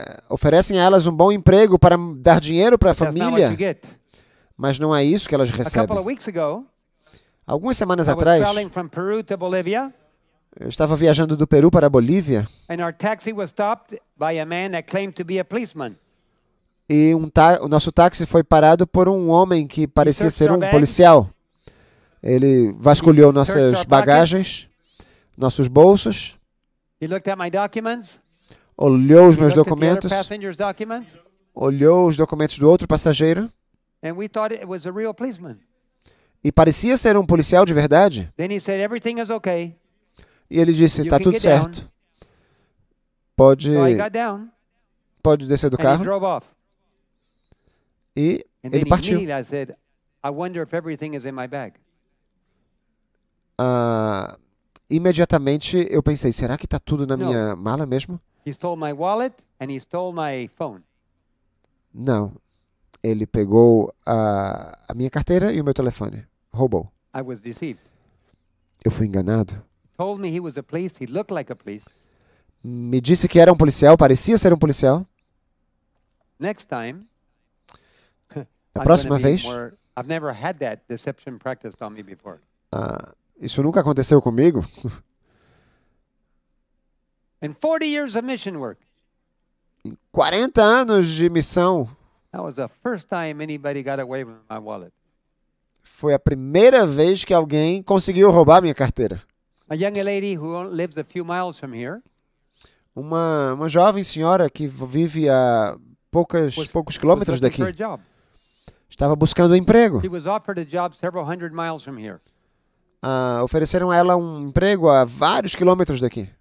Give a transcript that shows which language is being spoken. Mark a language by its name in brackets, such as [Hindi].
[Portuguese] Oferecem a elas um bom emprego para dar dinheiro para a família. Mas não é isso que elas recebem. [English] A couple of weeks ago, [Portuguese] algumas semanas atrás, [English] from Peru to Bolivia, [Portuguese] Eu estava viajando do Peru para a Bolívia. [English] And our taxi was stopped by a man that claimed to be a policeman. [Portuguese] E o nosso táxi foi parado por um homem que parecia ser um policial. Ele vasculhou nossas bagagens, nossos bolsos. [English] He looked at my documents. [Portuguese] Olhou os meus documentos. [English] The other passenger's documents. [Portuguese] Olhou os documentos do outro passageiro. [English] And we thought it was a real policeman. [Portuguese] E parecia ser um policial de verdade. [English] Then he said, everything is okay. [Portuguese] E ele disse, está tudo certo. [English] Down. [Portuguese] Pode [English] so down, [Portuguese] pode descer do carro. [English] He drove off. [Portuguese] E [English] and [Portuguese] ele partiu. [English] I said, I wonder if everything is in my bag. [Portuguese] Imediatamente eu pensei, será que está tudo na minha mala mesmo? [English] He stole my wallet and he stole my phone. [Portuguese] Não. Ele pegou a minha carteira e o meu telefone. Roubou. [English] I was deceived. [Portuguese] Eu fui enganado. [English] Told me he was a police. He looked like a police. [Portuguese] Me disse que era um policial. Parecia ser um policial. [English] Next time, [Portuguese] a próxima vez... [English] More, I've never had that deception practiced on me before. [Portuguese] Isso nunca aconteceu comigo. [English] In 40 years of mission work. [Portuguese] Em 40 anos de missão... [English] That was the first time anybody got away with my wallet. [Portuguese] Foi a primeira vez que alguém conseguiu roubar minha carteira. [English] A young lady who lives a few miles from here. [Portuguese] Uma jovem senhora que vive a poucos quilômetros daqui. Estava buscando um emprego. [English] She was offered a job several hundred miles from here. [Portuguese] Ofereceram a ela um emprego a vários quilômetros daqui.